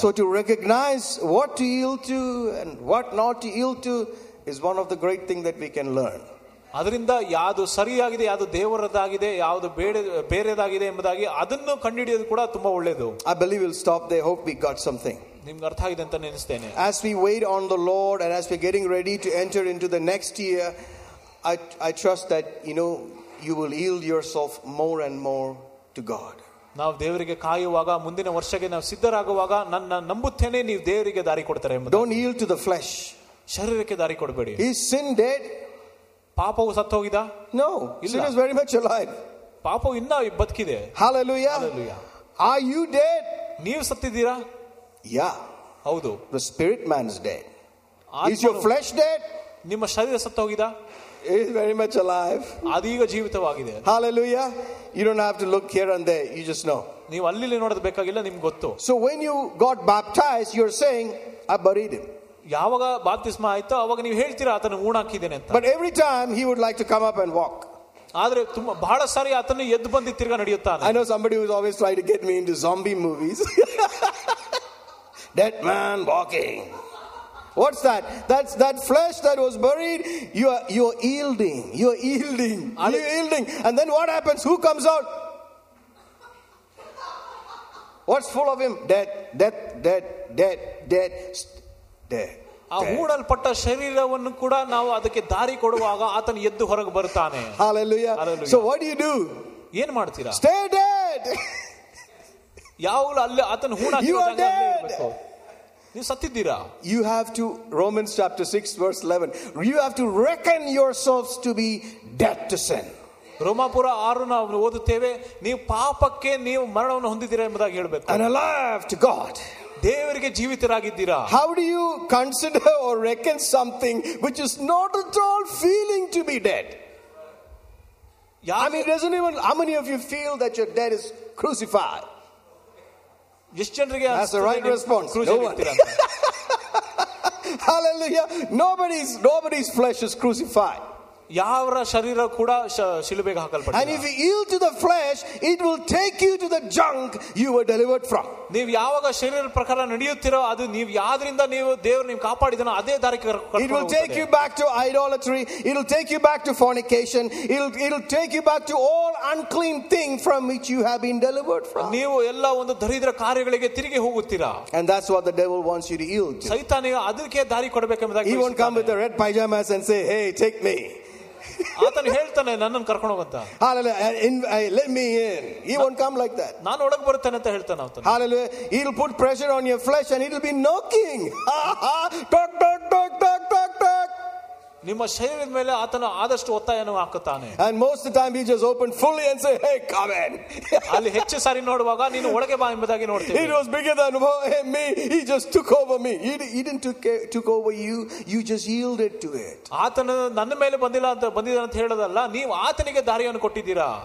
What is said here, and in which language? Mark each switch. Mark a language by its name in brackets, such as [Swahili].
[English] So to recognize what to yield to and what not to yield to is one of the great things that we can learn. [Kannada] ಅದರಿಂದ ಯಾವುದು ಸರಿಯಾಗಿದೆ ಯಾವುದು ದೇವರದಾಗಿದೆ ಯಾವುದು ಬೇರೆದಾಗಿದೆ ಎಂಬುದಾಗಿ ಅದನ್ನು ಕಂಡುಹಿಡಿಯೋದು ಕೂಡ ತುಂಬಾ ಒಳ್ಳೆಯದು. [English] I believe we'll stop there. Hope we got something. [Kannada] ನಿಮಗೆ ಅರ್ಥ ಆಗಿದೆ ಅಂತ ನೆನೆಸ್ತೇನೆ. [English] As we wait on the Lord and as we're getting ready to enter into the next year, I trust that you know you will yield yourself more and more to God. [Kannada] ನಾವು ದೇವರಿಗೆ ಕಾಯುವಾಗ ಮುಂದಿನ ವರ್ಷಕ್ಕೆ ನಾವು ಸಿದ್ಧರಾಗುವಾಗ ನನ್ನ ನಂಬುತ್ತೇನೆ ನೀವು ದೇವರಿಗೆ ದಾರಿ ಕೊಡ್ತಾರೆ ಎಂಬುದು. [English] Don't yield to the flesh. [Kannada] ಶರೀರಕ್ಕೆ ದಾರಿ ಕೊಡಬೇಡಿ. [English] Is sin dead? [Kannada] ಪಾಪವು ಸತ್ತೋಗಿದ? [English] No, sin is very much alive. [Kannada] ಪಾಪವು ಇನ್ನೂ ಬದುಕಿದೆ. [English] Hallelujah. Hallelujah. Are you dead? [Kannada] ನೀವು ಸತ್ತಿದ್ದೀರಾ? [English] Yeah. [Kannada] ಹೌದು. [English] The spirit man is dead. Is your flesh dead? [Kannada] ನಿಮ್ಮ ಶರೀರ ಸತ್ತೋಗಿದ? [English] It is very much alive. [Kannada] ಅದೀಗ ಜೀವಿತವಾಗಿದೆ. [English] Hallelujah. You don't have to look here and there. You just know. [Kannada] ನೀವು ಅಲ್ಲಿ ನೋಡೋದು ಬೇಕಾಗಿಲ್ಲ, ನಿಮಗೆ ಗೊತ್ತು. [English] So when you got baptized, you're saying, I buried him. [Kannada] ಯಾವಾಗ ಬಾಪ್ತಿಸ್ಮ ಆಯ್ತು ಅವಾಗ ನೀವು ಹೇಳ್ತೀರಾ ಆತನ ಊಣಾಕಿದ್ದೇನೆ ಅಂತ. [English] But every time he would like to come up and walk. [Kannada] ಆದ್ರೆ ತುಂಬಾ ಬಹಳ ಸಾರಿ ಆತನ ಎದ್ದು ಬಂದಿ ತಿರ್ಗ ನಡೆಯುತ್ತಾನೆ. [English] I know somebody who's always trying to get me into zombie movies. Dead man walking. What's that? That's that flesh that was buried. You're yielding. And then what happens? Who comes out? What's full of him? Dead. [Kannada] ಆ ಹೂಡಲ್ಪಟ್ಟ ಶರೀರವನ್ನು ಕೂಡ ನಾವು ಅದಕ್ಕೆ ದಾರಿ ಕೊಡುವಾಗ ಆತನ ಎದ್ದು ಹೊರಗೆ ಬರುತ್ತಾನೆ. [English] Hallelujah. So what do you do? [Kannada] ಏನು ಮಾಡ್ತೀರಾ? [English] Stay dead. [Kannada] ಯಾವಾಗಲೂ ಅಲ್ಲಿ ಆತನ ಹೂಡಾಕಿರೋದಂಗೆ ಇರಬೇಕು. ನೀವು ಸತ್ತಿದ್ದೀರಾ? [English] You have to, Romans chapter 6 verse 11, you have to reckon yourselves to be dead to sin. [Kannada] ರೋಮಾಪುರ 6 ನಾವು ಓದುತ್ತೇವೆ, ನೀವು ಪಾಪಕ್ಕೆ ನೀವು ಮರಣವನ್ನು ಹೊಂದಿದ್ದೀರಾ ಎಂಬುದಾಗಿ ಹೇಳಬೇಕು. [English] And alive to God. [Kannada] ದೇವರಿಗೆ ಜೀವಿತರಾಗಿದ್ದೀರಾ? [English] How do you consider or reckon something which is not at all feeling to be dead? Yeah, I mean, doesn't even, how many of you feel that your dead is crucified? [Kannada] ಎಷ್ಟು ಜನರಿಗೆ? [English] That's the right response. No one. Hallelujah. Nobody's flesh is crucified. [Kannada] ಯಾವರ ಶರೀರ ಕೂಡ ಶಿಲುಬೆಗೆ ಹಾಕಲ್ಪಟ್ಟಿದೆ. [English] And if you yield to the flesh, it will take you to the junk you were delivered from. [Kannada] ನೀವು ಯಾವಾಗ ಶರೀರ ಪ್ರಕಾರ ನಡೆಯುತ್ತೀರೋ ಅದು ನೀವು ಯಾವ್ದರಿಂದ ನೀವು ದೇವರು ನಿಮ್ಗೆ ಕಾಪಾಡಿದನೋ ಅದೇ ದಾರಿಗೆ ಕರ್ಕೊಂಡು. [English] It will take you back to idolatry. It will take you back to fornication. It will take you back to all unclean thing from which you have been delivered from. [Kannada] ನೀವು ಎಲ್ಲ ಒಂದು ದರಿದ್ರ ಕಾರ್ಯಗಳಿಗೆ ತಿರುಗಿ ಹೋಗುತ್ತೀರಾ. [English] And that's what the devil wants you to yield to. [Kannada] ಸೈತಾನನಿಗೆ ಅದಕ್ಕೆ ದಾರಿ ಕೊಡಬೇಕು ಎಂಬುದಾಗಿ. [English] He won't come with the red pajamas and say, "Hey, take me." [Kannada] ಆತನು ಹೇಳ್ತಾನೆ ನನ್ನನ್ನು ಕರ್ಕೊಂಡು ಹೋಗಂತ. [English] Hallelujah. Let me in. He won't come like that. [Kannada] ನಾನು ಒಳಗೆ ಬರುತ್ತೇನೆ ಅಂತ ಹೇಳ್ತಾನೆ ಆತನು. [English] Hallelujah. He'll put pressure on your flesh and it'll be knocking. Tok tok tok tok tok tok. [Kannada] ನಿಮ್ಮ ಶರೀರದ ಮೇಲೆ ಆತನು ಆದಷ್ಟು ಒತ್ತಾಯವನ್ನು ಹಾಕುತ್ತಾನೆ. [English] And most of the time he just opened fully and say, "Hey, come in." [Kannada] ಅಲ್ಲಿ ಹೆಚ್ಚು ಸಾರಿ ನೋಡುವಾಗ ನೀನು ಒಳಗೆ ಬಾ ಎಂಬುದಾಗಿ ನೋಡ್ತೀನಿ. [English] He was bigger than me. He just took over me. He didn't take over you. You just yielded to it. [Kannada] ಆತನು ನನ್ನ ಮೇಲೆ ಬಂದಿಲ್ಲ ಅಂತ ಬಂದಿದ್ದಾನೆ ಅಂತ ಹೇಳೋದಲ್ಲ, ನೀವು ಆತನಿಗೆ ದಾರಿಯನ್ನು ಕೊಟ್ಟಿದ್ದೀರಾ.